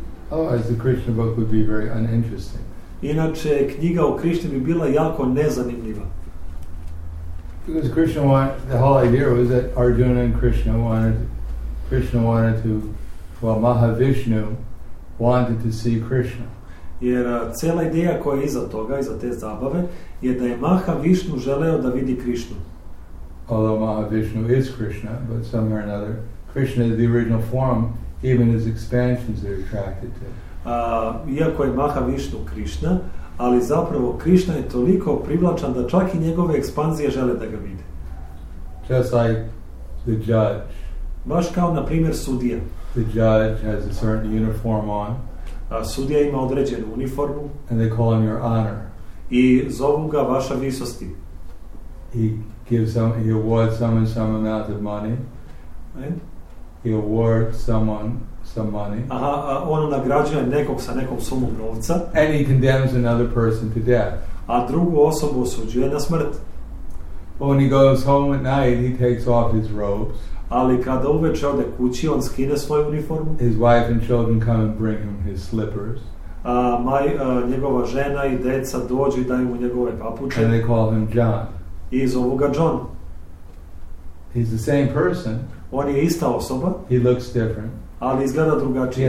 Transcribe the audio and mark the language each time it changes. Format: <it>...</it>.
<en>Otherwise the Krishna book would be very uninteresting.</en> <sr>Inače, knjiga o Krišni bi bila jako nezanimljiva.</sr> <en>Because Krishna wanted, the whole idea was that Arjuna and Krishna wanted to, Mahavishnu wanted to see Krishna.</en> <sr>Jer cela ideja koja je iza toga, iza te zabave, je da je Mahavishnu želeo da vidi Krishnu.</sr> <en>Although Mahavishnu is Krishna, but somewhere or another, Krishna is the original form, even his expansions are attracted to.</en> <sr>Iako je Mahavishnu Krishna, ali zapravo Krishna je toliko privlačan da čak i njegove ekspanzije žele da ga vide.</sr> <en>Just like the judge.</en> <sr>Baš kao, na primjer, sudija.</sr> <en>The judge has a certain uniform on.</en> <sr>Sudija ima određenu uniformu.</sr> <en>And they call him your honor.</en> <sr>I zovu ga vaša visosti.</sr> <en>He awards someone some amount of money. Right? He awards someone some money.</en> <sr>Aha, on nagrađuje nekog sa nekom sumom novca.</sr> <en>And he condemns another person to death.</en> <sr>A drugu osobu osuđuje na smrt.</sr> <en>But when he goes home at night, he takes off his robes.</en> <sr>Ali kada uveče ode kući, on skine svoju uniformu.</sr> <en>His wife and children come and bring him his slippers.</en> <sr>Njegova žena i deca dođu i daju mu njegove papuče.</sr> <en>And they call him John.</en> <sr>I zovu ga John.</sr> <en>He's the same person.</en> <sr>On je ista osoba.</sr> <en>He looks different.</en> <sr>Ali izgleda drugačije.</sr>